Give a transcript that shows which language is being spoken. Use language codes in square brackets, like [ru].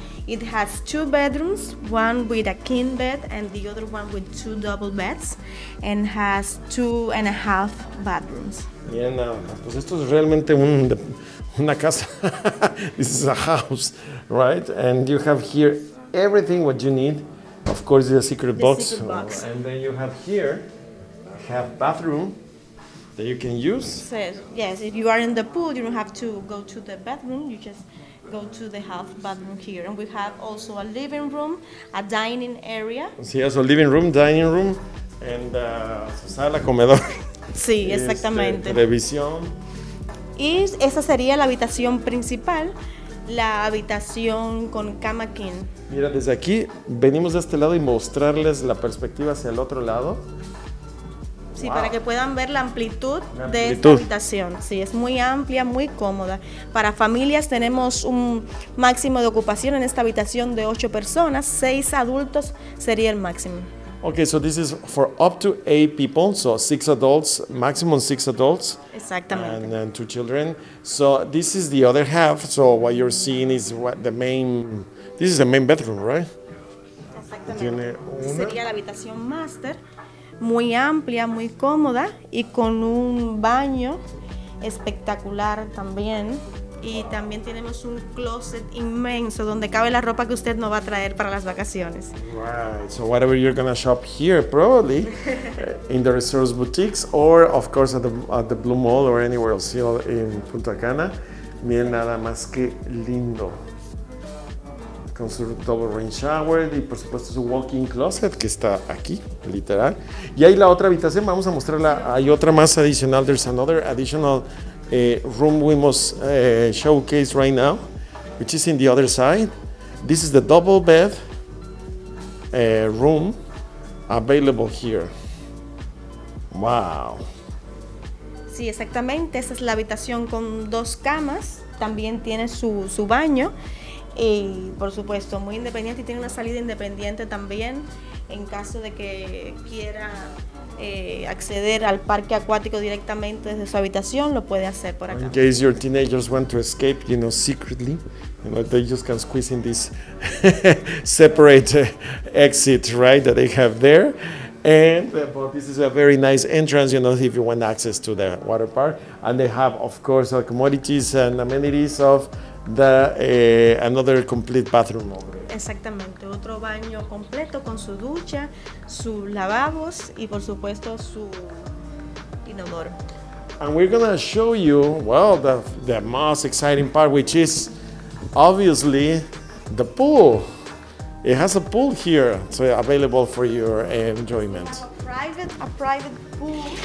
[en] It has 2 bedrooms, one with a king bed and the other one with 2 double beds, and has 2.5 bathrooms. [es] Miren nada más, pues esto es realmente una casa. [en] This is a house, right? And you have here everything what you need. Of course, the secret box. And then you have here, have bathroom that you can use. So, yes, if you are in the pool, you don't have to go to the bathroom. You just go to the half bathroom here. And we have also a living room, a dining area. [es] Sí, eso, [en] living room, dining room, and [es] sala comedor. Sí, exactamente. Televisión. Y esa sería la habitación principal, la habitación con cama king. Mira, desde aquí venimos de este lado y mostrarles la perspectiva hacia el otro lado. Sí, wow. Para que puedan ver la amplitud de esta habitación. Sí, es muy amplia, muy cómoda. Para familias tenemos un máximo de ocupación en esta habitación de 8 personas, 6 adultos sería el máximo. [en] Okay, so this is for up to 8 people, so 6 adults, maximum 6 adults. [es] Exactamente. [en] And then 2 children. So this is the other half, so what you're seeing is what the main, this is the main bedroom, right? [es] Exactamente. Sería la habitación master. Muy amplia, muy cómoda y con un baño espectacular también. Y también tenemos un closet inmenso donde cabe la ropa que usted no va a traer para las vacaciones. [en] Right, so whatever you're gonna shop here, probably in the resorts boutiques or of course at the Blue Mall or anywhere else here in Punta Cana. [es] Miren nada más que lindo. Con su double rain shower y por supuesto su walk-in closet que está aquí, literal. Y ahí la otra habitación, vamos a mostrarla, hay otra más adicional, [en] there's another additional room we must showcase right now, which is in the other side. This is the double bed room available here. Wow. [es] Sí, exactamente, esa es la habitación con 2 camas, también tiene su baño. Y por supuesto, muy independiente y tiene una salida independiente también en caso de que quiera acceder al parque acuático directamente desde su habitación, lo puede hacer por acá. [en] In case your teenagers want to escape, you know, secretly, you know, they just can squeeze in this separate exit, right, that they have there. And but this is a very nice entrance, you know, if you want access to the water park. And they have, of course, the commodities and amenities of another complete bathroom. [es] Exactamente, otro baño completo con su ducha, sus lavabos y por supuesto su inodoro. [en] And we're gonna show you, well, the most exciting part, which is obviously the pool. It has a pool here, so available for your enjoyment. A private pool.